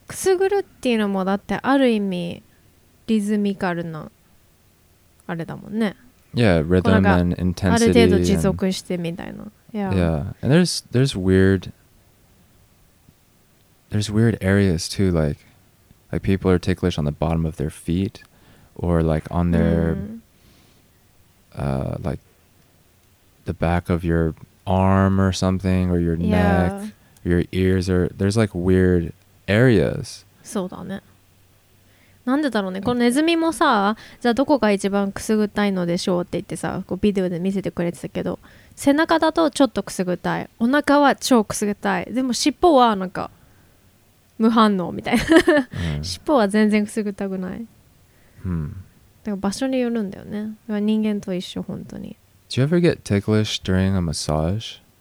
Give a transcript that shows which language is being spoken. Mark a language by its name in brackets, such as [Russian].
[Japanese] くすぐるっていうのもだってある意味リズミカルなあれだもんね。 [English] Yeah, rhythm and intensity. [Japanese] ある程度持続してみたいな。 [English] Yeah. And there's weird areas too, like people are ticklish on the bottom of their feet or like on their like the back of your arm or something, or your neck, your ears, or there's like weird areas. [Japanese] そうだね。なんでだろうね。このネズミもさ、じゃあどこが一番くすぐったいのでしょうって言ってさ、こうビデオで見せてくれてたけど、背中だとちょっとくすぐったい、お腹は超くすぐったい、でも尻尾はなんか無反応みたいな、尻尾は全然くすぐったくない。だから場所によるんだよね。人間と一緒本当に。 [English] Do you ever get ticklish during a massage?